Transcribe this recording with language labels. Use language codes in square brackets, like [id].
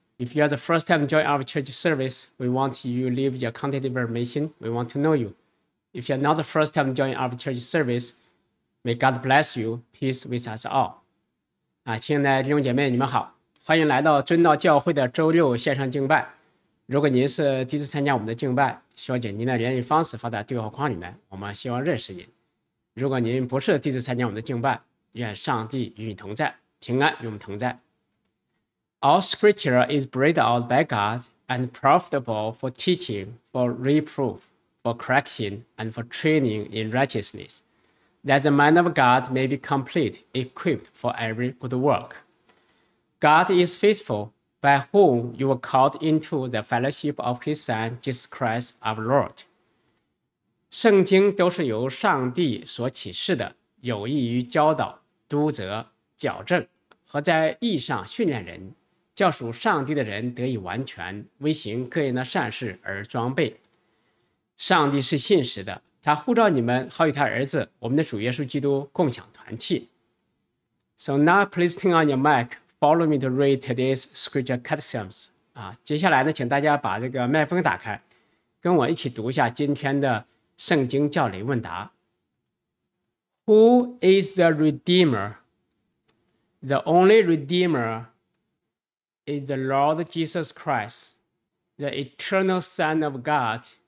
[en] If you are the first time joining our church service, we want you to leave your contact information. We want to know you. If you are not the first time joining our church service, may God bless you. Peace with us all. [zh] 亲爱的弟兄姐妹，你们好，欢迎来到真道教会的周六线上敬拜。如果您是第一次参加我们的敬拜，需要将您的联系方式发在对话框里面，我们希望认识您。如果您不是第一次参加我们的敬拜，愿上帝与你同在，平安与我们同在。 [en] All scripture is breathed out by God and profitable for teaching, for reproof, for correction, and for training in righteousness, that the man of God may be complete, equipped for every good work. God is faithful, by whom you were called into the fellowship of His Son, Jesus Christ, our Lord. [zh] 圣经都是由上帝所启示的，有益于教导、督责、矫正和在义上训练人，教属上帝的人得以完全，为行各样的善事而装备。上帝是信实的，他呼召你们好与他儿子我们的主耶稣基督共享团契。 [en] So now please turn on your mic, follow me to read today's scripture catechisms. [zh] 接下来呢，请大家把这个麦风打开，跟我一起读一下今天的圣经教理问答。 [en] Who is the Redeemer? The only Redeemer is the Lord Jesus Christ, the eternal Son of God.